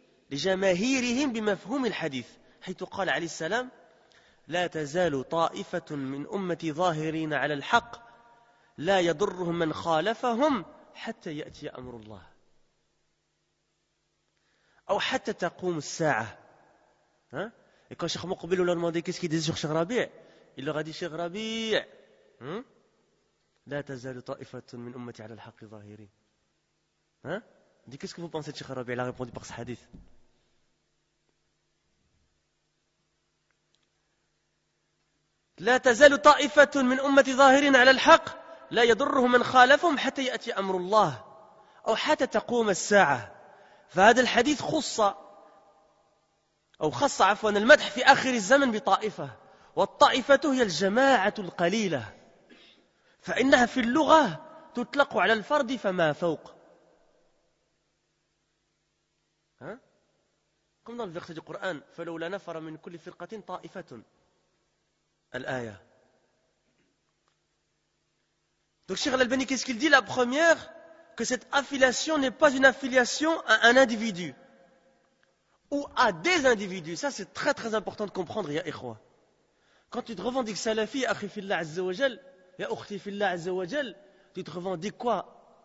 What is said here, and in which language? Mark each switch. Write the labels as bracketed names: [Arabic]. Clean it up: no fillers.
[Arabic] لجماهيرهم بمفهوم الحديث، حيث قال عليه السلام لا تزال طائفة من أمتي ظاهرين على الحق لا يضرهم من خالفهم حتى يأتي أمر الله أو حتى تقوم الساعة. [French] Et quand Cheikh Moukoubi lui a demandé qu'est-ce qu'il disait sur Cheikh Rabi', il leur a dit Cheikh Rabi', [Arabic] لا تزال طائفة من أمتي على الحق ظاهرين. [French] Il dit qu'est-ce que vous pensez de Cheikh Rabi', il a répondu par ce hadith. [Arabic] لا تزال طائفة من أمة ظاهرين على الحق لا يضرهم من خالفهم حتى يأتي أمر الله أو حتى تقوم الساعة. فهذا الحديث خص المدح في آخر الزمن بطائفة، والطائفة هي الجماعة القليلة، فإنها في اللغة تطلق على الفرد فما فوق. قم ضل في القرآن فلولا نفر من كل فرقة طائفة الآية. [French] Donc Cheikh Al-Albani, qu'est-ce qu'il dit? La première, que cette affiliation n'est pas une affiliation à un individu ou à des individus. Ça, c'est très très important de comprendre, ya ikhwa. Quand tu te revendiques salafi, [Arabic] akhi fillah azza wa jal, ya ukhti fillah azza wa jal, [French] tu te revendiques quoi?